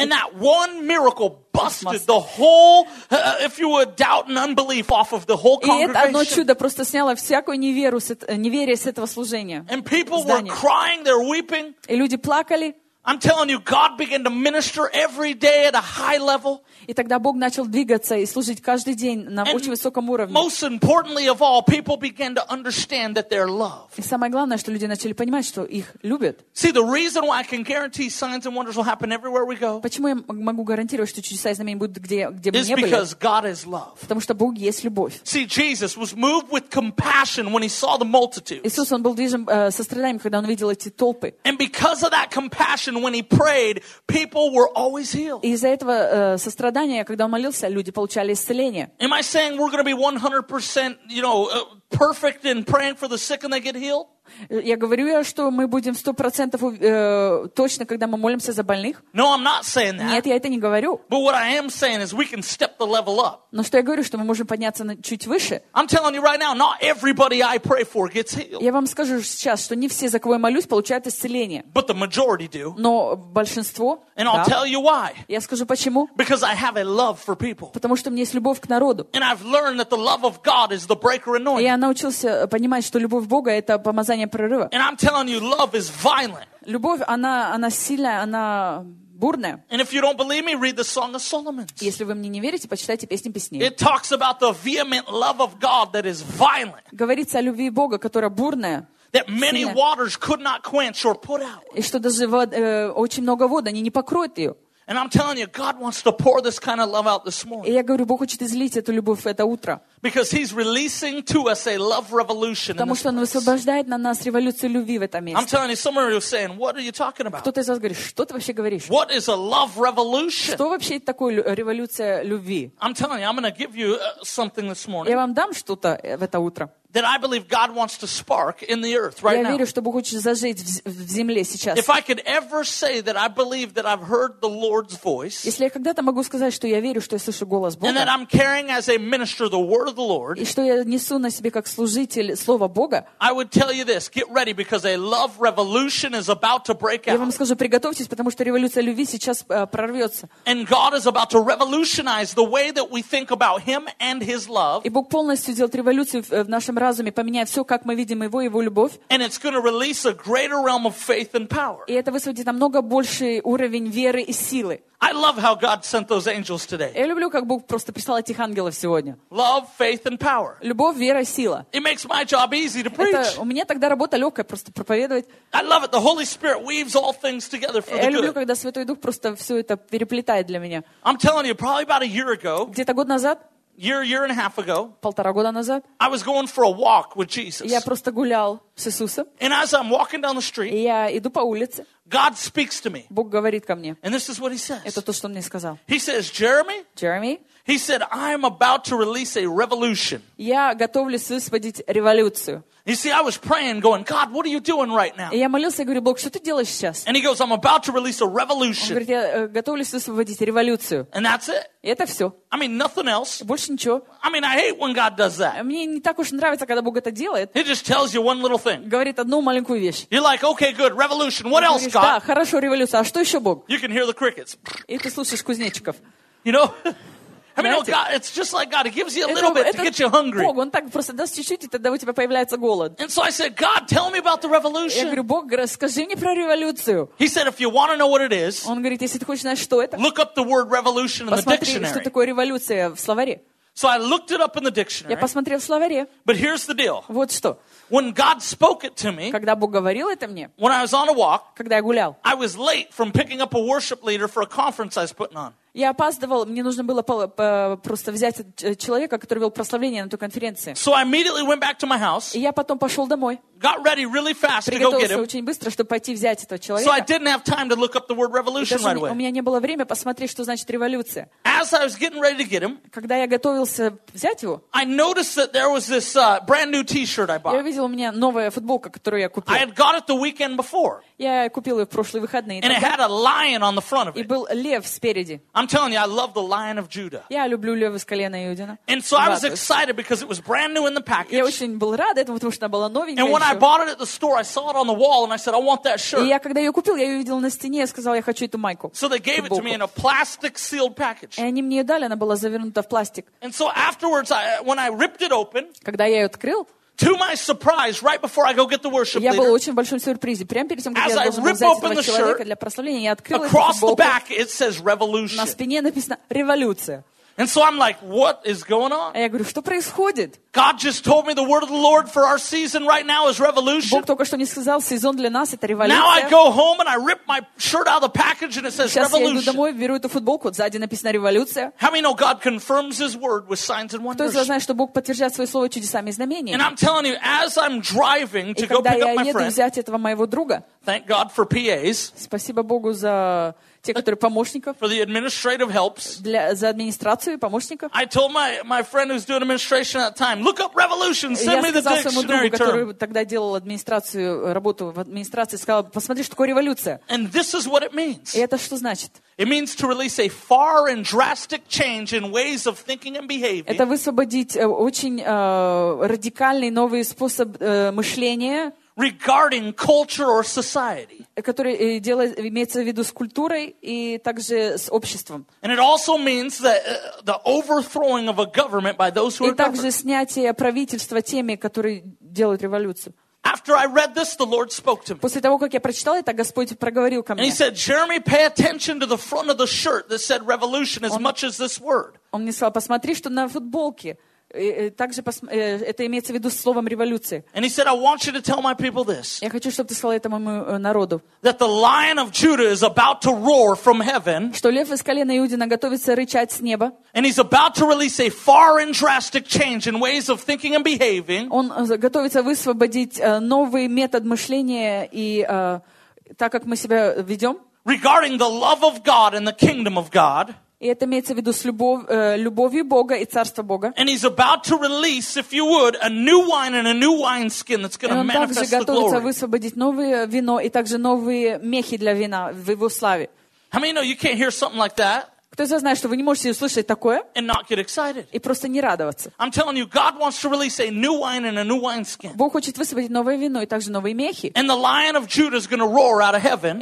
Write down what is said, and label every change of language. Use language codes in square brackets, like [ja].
[en] And that one miracle busted the whole, if you would, doubt and unbelief off of the whole congregation. [ru] И это одно чудо просто сняло всякую неверие с этого служения. [en] And people were crying, they're weeping. [ru] И люди плакали. [en] I'm telling you, God began to minister every day at a high level. [ru] И тогда Бог начал двигаться и служить каждый день на очень высоком уровне. [en] And most importantly of all, people began to understand that they're loved. [ru] И самое главное, что люди начали понимать, что их любят. [en] See, the reason why I can guarantee signs and wonders will happen everywhere we go. [ru] Почему я могу гарантировать, что чудеса и знамения будут где бы ни были? [en] Is because God is love. [ru] Потому что Бог есть любовь. [en] See, Jesus was moved with compassion when he saw the multitudes. [ru] Иисус он был движим состраданием, когда он видел эти толпы. [en] And because of that compassion. When he prayed, people were always healed. [ru] Из-за этого сострадания, когда он молился, люди получали исцеление. [en] Am I saying we're going to be 100%, you know, perfect in praying for the sick and they get healed? [ru] Я говорю, что мы будем 100% точно, когда мы молимся за больных? [en] No, I'm not saying that. [ru] Нет, я это не говорю. [en] But what I am saying is we can step the level up. [ru] Но что я говорю, что мы можем подняться чуть выше. [en] I'm telling you right now, not everybody I pray for gets healed. [ru] Я вам скажу сейчас, что не все, за кого я молюсь, получают исцеление. [en] But the majority do. [ru] Но большинство, [en] and [ru] да. [en] I'll tell you why. [ru] Я скажу почему. [en] Because I have a love for people. [ru] Потому что у меня есть любовь к народу. [en] And I've learned that the love of God is the breaker anointing. [ru] Я научился понимать, что любовь Бога — это помазание. [en] And I'm telling you, love is violent. [ru] Любовь, она сильная, она бурная. [en] And if you don't believe me, read the Song of Solomon. [ru] Если вы мне не верите, почитайте песни песней. [en] It talks about the vehement love of God that is violent. [ru] Говорится о любви Бога, которая бурная. [en] That many waters could not quench or put out. [ru] И что даже очень много вод, они не покроют ее. [en] And I'm telling you, God wants to pour this kind of love out this morning. [ru] И я говорю, Бог хочет излить эту любовь в это утро. [en] Because He's releasing to us a love revolution. [ru] Потому что Он высвобождает на нас революцию любви в этом месте. [en] I'm telling you, someone was saying, "What are you talking about?" [ru] Кто-то из вас говорит, что ты вообще говоришь? [en] What is a love revolution? [ru] Что вообще такое революция любви? [en] I'm telling you, I'm going to give you something this morning. [ru] Я вам дам что-то в это утро. [en] That I believe God wants to spark in the earth right now. [ru] Я верю, что Бог хочет зажечь в земле сейчас. [en] If I could ever say that I believe that I've heard the Lord's voice. [ru] Если я когда-то могу сказать, что я верю, что я слышу голос Бога. [en] And that I'm carrying as a minister the word of the Lord. [ru] И что я несу на себе как служитель слова Бога. [en] I would tell you this: get ready because a love revolution is about to break out. [ru] Я вам скажу, приготовьтесь, потому что революция любви сейчас прорвется. [en] And God is about to revolutionize the way that we think about Him and His love. [ru] И Бог полностью делает революцию в нашем разуме. Разуме, поменяет все, как мы видим Его и Его любовь. И это высвободит намного больший уровень веры и силы. [en] I love how God sent those angels today. [ru] Я люблю, как Бог просто прислал этих ангелов сегодня. [en] Love, faith, and power. [ru] Любовь, вера, сила. [en] It makes my job easy to preach. [ru] Это у меня тогда работа легкая, просто проповедовать. [en] I love it. The Holy Spirit weaves all things together for the good. [ru] Я люблю, когда Святой Дух просто все это переплетает для меня. [en] I'm telling you, probably about a year ago. [ru] Где-то год назад. [en] Year and a half ago. [ru] Полтора года назад. [en] I was going for a walk with Jesus. [ru] Я просто гулял с Иисусом. [en] And as I'm walking down the street. [ru] Я иду по улице. [en] God speaks to me. [ru] Бог говорит ко мне. [en] And this is what He says. [ru] Это то, что Он мне сказал. [en] He says, Jeremy. [ru] Jeremy. [en] He said, I'm about to release a revolution. [ru] Я готовлюсь высвободить революцию. [en] You see, I was praying, going, God, what are you doing right now? [ru] Я молился, говорю, Бог, что ты делаешь сейчас? [en] And He goes, I'm about to release a revolution. [ru] Он говорит, я готовлюсь высвободить революцию. [en] And that's it. [ru] И это все. [en] I mean, nothing else. [ru] Больше ничего. [en] I mean, I hate when God does that. [ru] Мне не так уж нравится, когда Бог это делает. [en] He just tells you one little thing. [ru] Говорит одну маленькую вещь. [en] You're like, okay, good, revolution. What else, God? [ru] Да, хорошо, революция. А что еще, Бог? [en] You can hear the crickets. [ru] И ты слушаешь кузнечиков. [en] You know? I mean, oh God, it's just like God. He gives you a little bit to get you hungry. [ru] Бог, он так просто даст чуть-чуть, и тогда у тебя появляется голод. [en] And so I said, God, tell me about the revolution. [ru] Я говорю, Бог, расскажи мне про революцию. [en] He said, if you want to know what it is, [ru] он говорит, если ты хочешь знать, что это, [en] look up the word revolution in the dictionary. [ru] Посмотри, что такое революция в словаре. [en] So I looked it up in the dictionary. [ru] Я посмотрел в словаре. [en] But here's the deal. [ru] Вот что. [en] When God spoke it to me, [ru] когда Бог говорил это мне, [en] when I was on a walk, [ru] когда я гулял, [en] I was late from picking up a worship leader for a conference I was putting on. [ru] Я опаздывал, мне нужно было просто взять человека, который вел прославление на той конференции. [en] So I immediately went back to my house. [ru] И я потом пошел домой. [en] Got ready really fast to go get him. [ru] Очень быстро, чтобы пойти взять этого человека. [en] So I didn't have time to look up the word revolution right away. [ru] У меня не было времени посмотреть, что значит революция. [en] As I was getting ready to get him, [ru] когда я готовился взять его, [en] I noticed that there was this brand new T-shirt I bought. [ru] Я видел, у меня новая футболка, которую я купил. [en] I had got it the weekend before. [ru] Я купил ее в прошлые выходные. [en] And it had a lion on the front of it. [ru] И был лев спереди. [en] I'm telling you, I love the Lion of Judah. [ru] Я люблю лев из колена Иудина. [en] And so I was excited because it was brand new in the package. [ru] Я очень был рад этому, потому что она была новенькая. [en] And when I bought it at the store, I saw it on the wall, and I said, I want that shirt. [ru] И я когда ее купил, я ее видел на стене, я сказал, я хочу эту майку. [en] So they gave it to me in a plastic sealed package. [ru] И они мне ее дали, она была завернута в пластик. [en] And so afterwards, when I ripped it open, [ru] когда я ее открыл. [en] To my surprise, right before I go get the worship leader, [ru] я был очень большом сюрпризе. Прямо перед тем, как [en] as [ru] я [en] I [ru] должен [en] rip [ru] взять [en] open [ru] этого [en] the [ru] человека [en] shirt, [ru] для прославления, я открыл [en] across [ru] футболку, [en] the back, it says revolution. [ru] На спине написано революция. [en] And so I'm like, what is going on? [ru] А я говорю, что происходит? [en] God just told me the word of the Lord for our season right now is revolution. [ru] Бог только что мне сказал, сезон для нас это революция. [en] Now I go home and I rip my shirt out of the package and it says [ru] сейчас [en] revolution. [ru] Я иду домой, беру эту футболку, сзади написано революция. [en] How many know God confirms His word with signs and wonders? [ru] Кто из вас знает, что Бог подтверждает свое слово чудесами и знамениями? [en] And I'm telling you, as I'm driving to go pick up my friend. [ru] И когда я еду взять этого моего друга. [en] Thank God for PAs. [ru] Спасибо Богу за те, которые помощников. [en] For the administrative helps. [ru] Для, за администрацию и помощников. [en] I told my friend who's doing administration at the time, look up revolution, send me the dictionary term. [ru] Я сказал своему другу, который тогда делал администрацию, работу в администрации, сказал, посмотри, что такое революция. [en] And this is what it means. [ru] И это что значит? [en] It means to release a far and drastic change in ways of thinking and behaving. [ru] Это высвободить очень радикальный новый способ мышления. [en] Regarding culture or society. [ru] Который дело имеется в виду с культурой и также с обществом. [en] And it also means that the overthrowing of a government by those who are governing. [ru] И также снятие правительства теми, которые делают революцию. [en] After I read this, the Lord spoke to me. [ru] После того, как я прочитал это, Господь проговорил ко мне. [en] And He said, Jeremy, pay attention to the front of the shirt that said revolution as much as this word. [ru] Он мне сказал, посмотри, что на футболке также это имеется в виду словом революции. [en] And he said, I want you to tell my people this. [ru] Я хочу, чтобы ты сказал этому народу. [en] That the lion of Judah is about to roar from heaven. [ru] Что лев из колена Иудина готовится рычать с неба. [en] And he's about to release a far and drastic change in ways of thinking and behaving. [ru] Он готовится высвободить новый метод мышления и так как мы себя ведем. [en] Regarding the love of God and the kingdom of God. [ru] И это имеется в виду с любовью Бога и царства Бога. [en] And he's about to release, if you would, a new wine and a new wineskin that's going to manifest the glory. [ru] Он также готовится высвободить новое вино и также новые мехи для вина в его славе. [en] How many know you can't hear something like that? [ru] Кто из вас знает, что вы не можете услышать такое [en] and not get excited. [ru] И просто не радоваться? [en] I'm telling you, God wants to release a new wine and a new wineskin. [ru] Бог хочет высвободить новое вино и также новые мехи. [en] And the lion of Judah is going to roar out of heaven.